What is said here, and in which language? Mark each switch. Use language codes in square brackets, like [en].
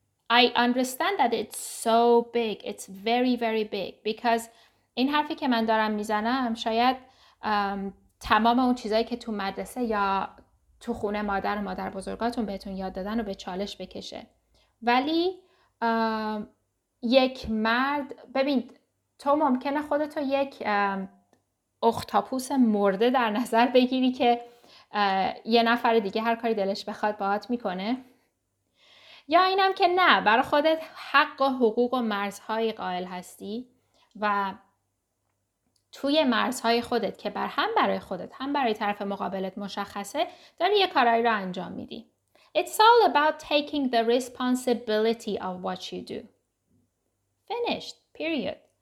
[en] I understand that it's so big. It's very, very big. Because [fa] این حرفی که من دارم میزنم، شاید تمام اون چیزایی که تو مدرسه یا تو خونه مادر و مادر بزرگاتون بهتون یاد دادن رو به چالش بکشه. ولی یک مرد، ببین، تو ممکنه خودتو یک اختاپوس مرده در نظر بگیری که یه نفر دیگه هر کاری دلش بخواد باهات میکنه، یا اینم که نه، برای خودت حق و حقوق و مرزهای قائل هستی و توی مرزهای خودت که بر هم برای خودت هم برای طرف مقابلت مشخصه، داری یه کارایی رو انجام میدی. [en] It's all about taking the responsibility of what you do. Finished. Period.